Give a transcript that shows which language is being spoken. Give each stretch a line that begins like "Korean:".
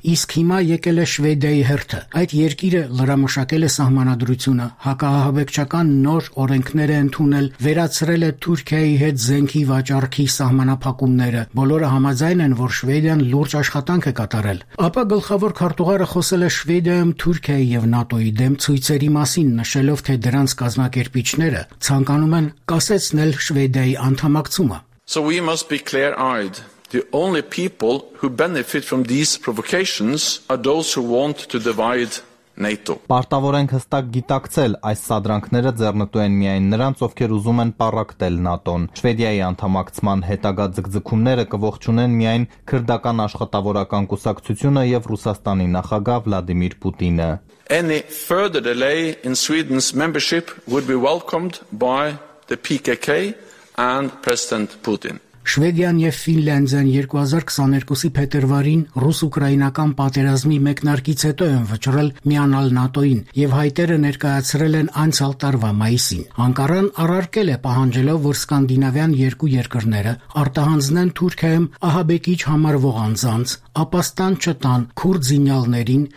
Armenian: Իսկ հիմա եկել է Շվեդիայի հերթը։ Այդ երկիրը լրամշակել է սահմանադրությունը, հակահաբեկչական նոր օրենքներ է ընդունել, վերացրել է Թուրքիայի հետ զենքի վաճառքը, սահմանափակումները, բոլորը համաձայն են, որ Շվեդիան լուրջ աշխատանք է կատարել։ Ապա գլխավոր քարտուղարը խոսել է Շվեդիայում Թուրքիայի և ՆԱՏՕ-ի դեմ ցույցերի մասին, նշելով, թե դրանց կազմակերպիչները ցանկանում են կասեցնել Շվեդիայի անդամակցումը։
English: So we must be clear-eyed. The only people who benefit from these provocations are those who want to divide ՆԱՏՕ։
Armenian: Պարտավոր ենք հստակ գիտակցել, այս սադրանքները ձեռնտու են միայն նրանց, ովքեր ուզում են պարակտել ՆԱՏՕ-ն։ Շվեդիայի անդամակցման հետագա ձգձգումները կողջունեն միայն քրդական աշխատավորական կուսակցությունը և Ռուսաստանի նախագահ Վլադիմիր Պուտինը։
English: Any further delay in Sweden's membership would be welcomed by the PKK and President Putin.
Armenian: Շվեդիան և Ֆինլանդիան 2022-ի փետրվարին ռուս-ուկրաինական պատերազմի մեկնարկից հետո են վճռել միանալ ՆԱՏՕ-ին և հայտերը ներկայացրել են անցյալ տարվա մայիսին։ Անկարան առարկել է, պահանջելով, որ սկանդինավյան երկու երկրները արտահանձնեն Թուրքիայում ահաբեկիչ համարվող անձանց, ապաստան չտան քուրդզինյալներին